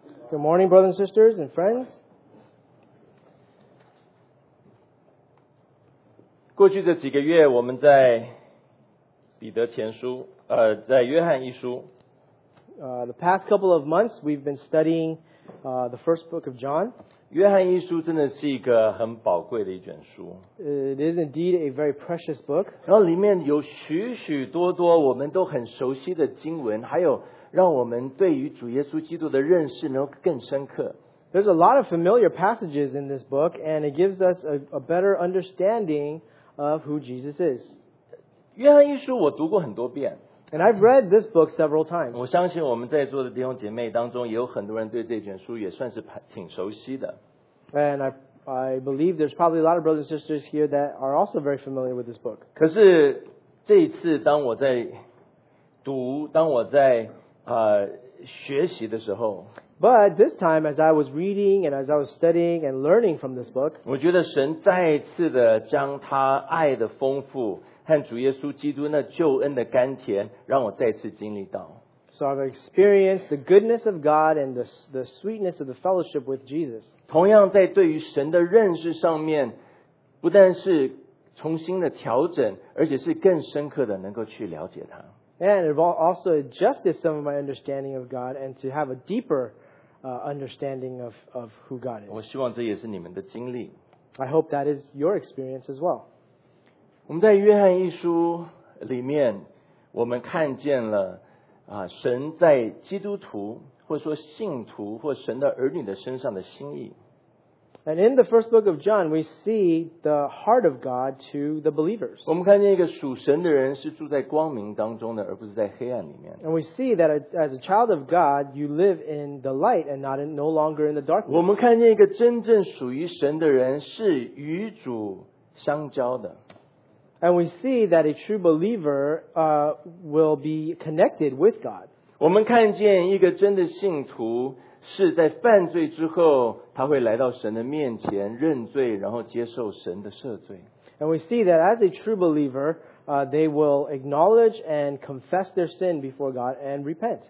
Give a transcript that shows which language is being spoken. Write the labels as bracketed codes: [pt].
[en] Good morning, brothers and sisters and friends. [zh] 过去这几个月我们在彼得前书在约翰一书。 [en] The past couple of months, we've been studying the first book of John. [zh] 约翰一书真的是一个很宝贵的一卷书。 [en] It is indeed a very precious book. [zh] 然后里面有许许多多我们都很熟悉的经文，还有让我们对于主耶稣基督的认识能够更深刻。 [en] There's a lot of familiar passages in this book, and it gives us a better understanding of who Jesus is. [zh] 约翰一书我读过很多遍。 [en] And I've read this book several times. [zh] 我相信我们在座的弟兄姐妹当中也有很多人对这卷书也算是挺熟悉的。 [en] And I believe there's probably a lot of brothers and sisters here that are also very familiar with this book. [zh] 可是这一次当我在读，当我在学习的时候， [en] But this time, as I was reading and as I was studying and learning from this book, [zh] 我觉得神再一次的将他爱的丰富和主耶稣基督那救恩的甘甜，让我再次经历到。 [en] So I've experienced the goodness of God and the sweetness of the fellowship with Jesus. [zh] 同样在对于神的认识上面，不但是重新的调整，而且是更深刻的能够去了解他。 [en] And it also adjusted some of my understanding of God and to have a deeper understanding of who God is. [zh] 我希望这也是你们的经历。 [en] I hope that is your experience as well. [zh] 我们在约翰一书里面，我们看见了神在基督徒或者说信徒或神的儿女的身上的心意。 [en] And in the first book of John, we see the heart of God to the believers. [zh] 我们看见一个属神的人是住在光明当中的，而不是在黑暗里面。 [en] And we see that as a child of God, you live in the light and no longer in the darkness. [zh] 我们看见一个真正属于神的人是与主相交的。 [en] And we see that a true believer will be connected with God. [zh] 我们看见一个真的信徒是在犯罪之后他会来到神的面前认罪，然后接受神的赦罪。 [en] And we see that as a true believer, they will acknowledge and confess their sin before God and repent.